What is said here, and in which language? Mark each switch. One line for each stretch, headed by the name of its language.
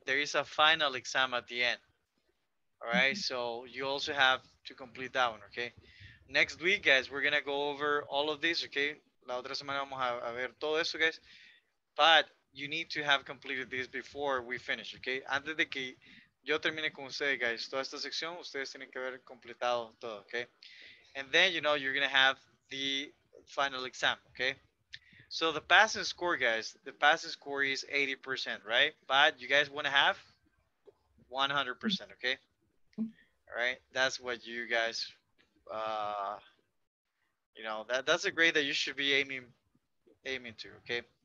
English: There is a final exam at the end, all right? Mm-hmm. So you also have to complete that one, okay? Next week, guys, we're going to go over all of this, okay?
Spanish: La otra semana vamos a ver todo eso,
English: guys, but you need to have completed this before we finish, okay?
Spanish: Antes de que yo termine con ustedes, guys, toda esta sección, ustedes tienen que haber completado todo, okay?
English: And then, you know, you're going to have the final exam, okay? So the passing score, guys, the passing score is 80%, right? But you guys want to have 100%, okay? All right, that's what you guys, you know, that's a grade that you should be aiming to, okay?